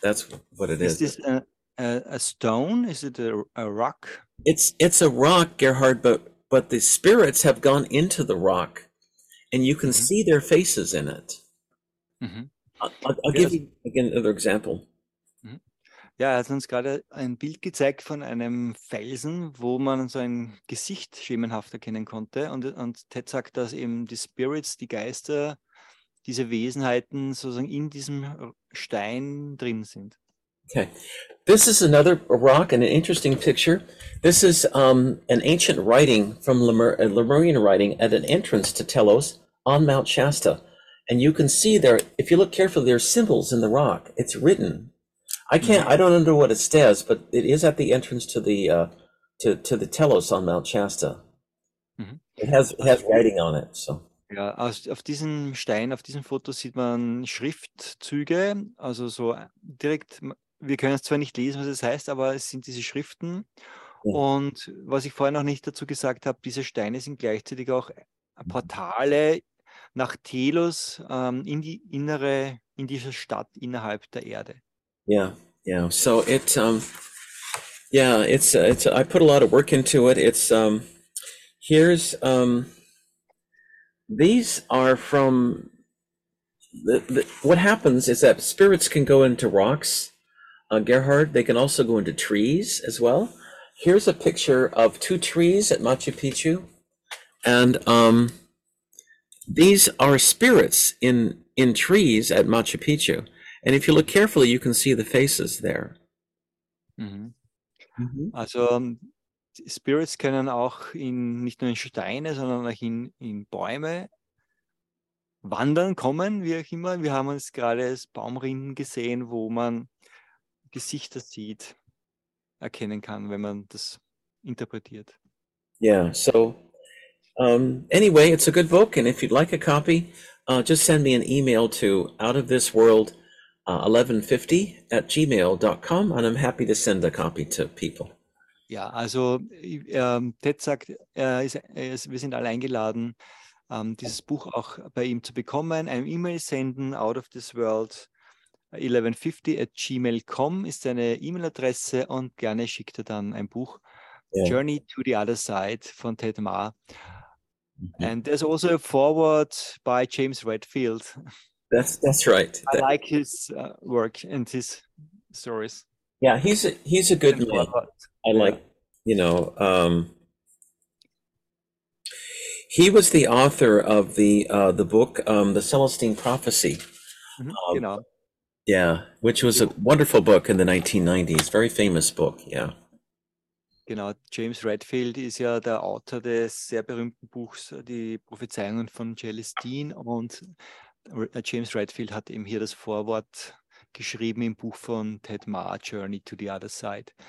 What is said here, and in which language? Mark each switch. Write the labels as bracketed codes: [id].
[en] That's what it is. A stone? Is it a rock? It's a rock, Gerhard, but the spirits have gone into the rock and you can see their faces in it. Mm-hmm. I'll give you again another example. Mm-hmm. [de] Ja, er hat uns gerade ein Bild gezeigt von einem Felsen, wo man so ein Gesicht schemenhaft erkennen konnte. Und Ted sagt, dass eben die Spirits, die Geister, diese Wesenheiten sozusagen in diesem Stein drin sind. [en] Okay. This is another rock and an interesting picture. This is an ancient writing from Lemurian writing at an entrance to Telos on Mount Shasta. And you can see there, if you look carefully, there are symbols in the rock. It's written. I don't know what it says, but it is at the entrance to the Telos on Mount Shasta. Mm-hmm. It has writing on it, so. [de] Ja, auf diesem Stein, auf diesem Foto sieht man Schriftzüge, also so direkt, wir können es zwar nicht lesen, was es heißt, aber es sind diese Schriften. Mm-hmm. Und was ich vorher noch nicht dazu gesagt habe, diese Steine sind gleichzeitig auch Portale nach Telos, in diese Stadt innerhalb der Erde. [en] Yeah. So it, it's, I put a lot of work into it. It's, here's, these are from what happens is that spirits can go into rocks, Gerhard. They can also go into trees as well. Here's a picture of two trees at Machu Picchu. And, these are spirits in trees at Machu Picchu. And if you look carefully, you can see the faces there. Mm-hmm. Mm-hmm. [de] Also spirits können auch in nicht nur in Steine, sondern auch in Bäume wandern, kommen, wie auch immer. Wir haben uns gerade als Baumrinden gesehen, wo man Gesichter sieht, erkennen kann, wenn man das interpretiert. [en] Yeah, so anyway, it's a good book. And if you'd like a copy, just send me an email to Out of This World 1150@gmail.com and I'm happy to send a copy to people. [de] Ja, also Ted sagt, wir sind alle eingeladen, dieses Buch auch bei ihm zu bekommen. Ein E-Mail senden, outofthisworld1150@gmail.com ist seine E-Mail-Adresse und gerne schickt er dann ein Buch, yeah. Journey to the Other Side von Ted Ma. Mm-hmm. [en] And there's also a foreword by James Redfield. That's right. I like his work and his stories. Yeah, he's a good man. I like, you know, he was the author of the book, The Celestine Prophecy. Mm-hmm. You know. Yeah, which was a wonderful book in the 1990s. Very famous book, yeah. [de] Genau, James Redfield ist ja der Autor des sehr berühmten Buchs Die Prophezeiungen von Celestine und James Redfield hat eben hier das Vorwort geschrieben im Buch von Ted Ma, Journey to the Other Side.